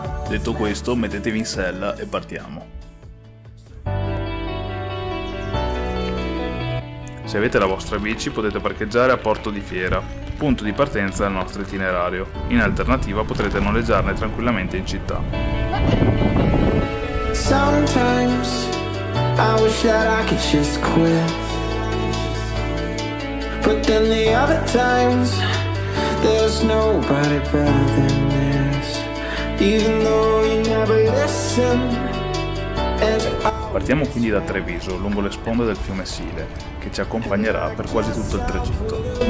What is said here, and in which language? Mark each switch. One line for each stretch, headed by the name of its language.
Italian: Detto questo, mettetevi in sella e partiamo. Se avete la vostra bici potete parcheggiare a Porto di Fiera, punto di partenza del nostro itinerario. In alternativa potrete noleggiarne tranquillamente in città.
English: Sometimes I wish that I could just quit. But then the other times there's nobody better than this. Even though you never listen.
Italian: Partiamo quindi da Treviso, lungo le sponde del fiume Sile, che ci accompagnerà per quasi tutto il tragitto.